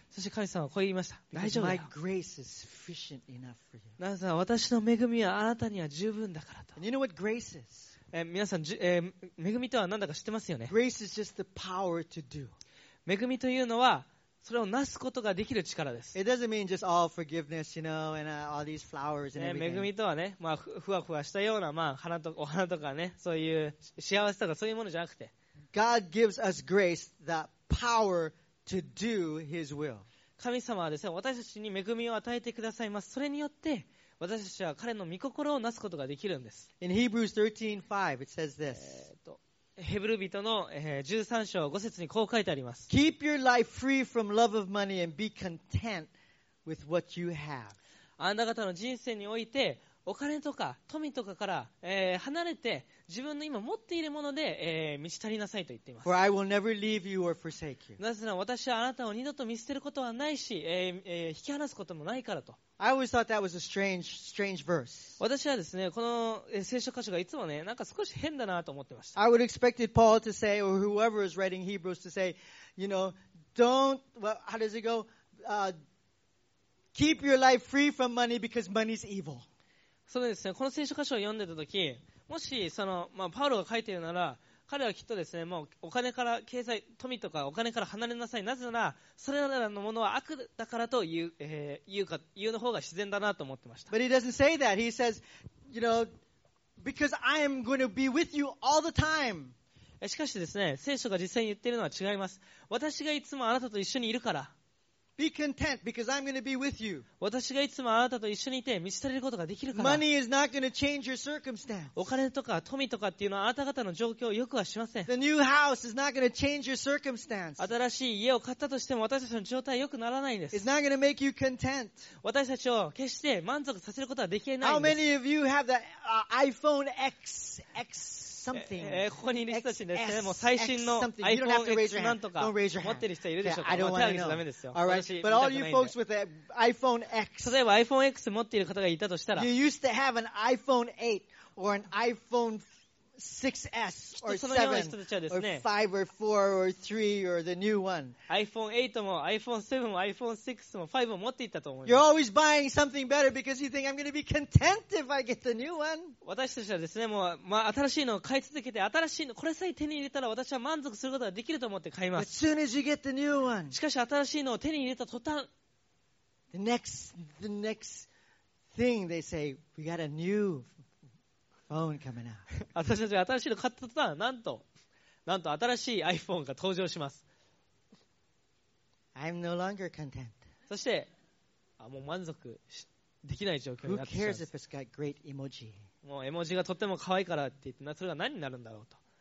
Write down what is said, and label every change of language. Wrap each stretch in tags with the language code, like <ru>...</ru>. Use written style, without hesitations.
<ja>そして神様はこう言いました。大丈夫だよ。</ja> <en>My grace is sufficient enough for you.</en> <ja>なぜなら私の恵みはあなたには十分だからと。</ja> <en>And you know what grace is?</en> <ja>皆さん、恵みとは何だか知ってますよね。</ja> <en>Grace is just the power to do.</en> <ja>恵みというのは、それをなすことができる力です。</ja> <en>It doesn't mean just all forgiveness, you know, and all these flowers and everything.</en> <ja>恵みとはね、まあ、ふわふわしたような、まあ、お花とかね、そういう幸せとかそういうものじゃなくて。</ja> <en>God gives us grace, the power to do His will.</en> <ja>神様はですね、私たちに恵みを与えてくださいます。それによって、私たちは彼の御心をなすことができるんです。</ja> <en>In Hebrews 13:5, it says this.</en> <ja>ヘブル人の13章5節にこう書いてあります。</ja> <en>Keep your life free from love of money and be content with what you have.</en> <ja>あなた方の人生においてお金とか富とかから、離れて自分の今持っているもので、満ち足りなさいと言っています。</ja> <en>For I will never leave you or forsake you.</en> <ja>なぜなら私はあなたを二度と見捨てることはないし、引き離すこともないからと。</ja> <en>I always thought that was a strange verse.</en> <ja>私はですね、この聖書箇所がいつもね、なんか少し変だなと思ってました。</ja> <en>I would expect Paul to say, or whoever is writing Hebrews to say, you know, don't, well, how does it go?、keep your life free from money because money's evil.</en> <ja>そうですね、この聖書箇所を読んでた時、もしその、まあ、パウロが書いているなら、彼はきっとですね、もうお金から経済、富とかお金から離れなさい、なぜならそれらのものは悪だからと言う、言うの方が自然だなと思ってました。</ja> <en>But he doesn't say that. He says, you know, because I am going to be with you all the time.</en> <ja>しかしですね、聖書が実際に言っているのは違います。私がいつもあなたと一緒にいるから。</ja> <en>Be content because I'm going to be with you.</en> <ja>私がいつもあなたと一緒にいて満ち足りることができるから。</ja> <en>Money is not going to change your circumstance.</en> <ja>お金とか富とかっていうのはあなた方の状況を良くはしません。</ja> <en>The new house is not going to change your circumstance.</en> <ja>新しい家を買ったとしても私たちの状態は良くならないんです。</ja> <en>It's not going to make you content.</en> <ja>私たちを決して満足させることはできないんです。</ja> <en>How many of you have the iPhone X something?</en> <ja>ここにいる人たちですね、もう最新の iPhone X なんとか持ってる人いるでしょうか。</ja> <en>Yeah, I don't want to know.</en> <ja>手上げちゃダメですよ。</ja> <en>All right. But all you folks with iPhone X,</en> <ja>例えば iPhone X 持っている方がいたとしたら、</ja> <en>you used to have an iPhone 8 or an iPhone 6S or 7 or 5 or 4 or 3 or the new one.</en> <ja>iPhone 8 も iPhone 7も iPhone 6も5も持っていたと思います。</ja> <en>You're always buying something better because you think I'm going to be content if I get the new one.</en> <ja>私たちはですね、もう、まあ、新しいのを買い続けて、新しいのこれさえ手に入れたら私は満足することができると思って買います。</ja> <en>But soon as you get the new one,</en> <ja>しかし新しいのを手に入れた途端、</ja> <en>the next thing they say, we got a new phone coming out.</en> <ja>私たちが新しいの買った途端、なんと新しい iPhone が登場します。</ja> <en>I'm no longer content.</en> <ja>そして、もう満足できない状況になってしまいます。</ja> <en>Who cares if it's got great emoji?</en> <ja>もう絵文字がとっても可愛いからって言って、それが何になるんだろうと。</ja>